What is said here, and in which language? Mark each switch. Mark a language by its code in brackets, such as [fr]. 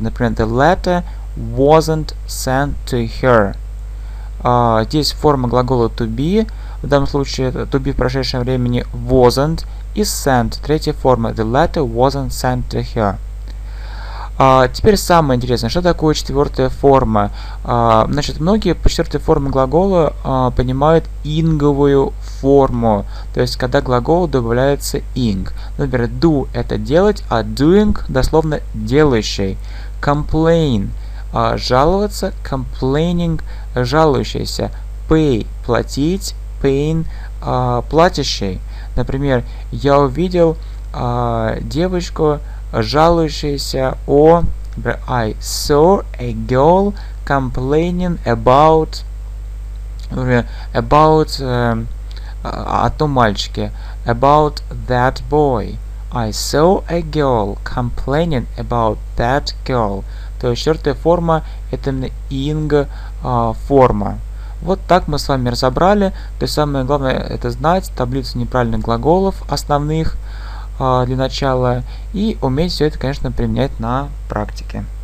[ru] Например, [en] the letter wasn't sent to her. [ru] Здесь форма глагола to be. В данном случае to be в прошедшем времени wasn't. И sent. Третья форма. [en] The letter wasn't sent to her. [ru] Теперь самое интересное, что такое четвертая форма? Значит, многие по четвертой форме глагола понимают инговую форму, то есть когда глагол добавляется ing. Например, do – это делать, а doing – дословно делающий. Complain – жаловаться, complaining – жалующийся. Pay – платить, paying – платящий. Например, я увидел девочку, жалующийся о... [en] I saw a girl complaining about... About... [ru] о том мальчике. [en] About that boy. I saw a girl complaining about that girl. [ru] То есть четвертая форма – это именно ing форма. Вот так мы с вами разобрали. То есть самое главное – это знать таблицу неправильных глаголов основных, для начала, и уметь все это, конечно, применять на практике.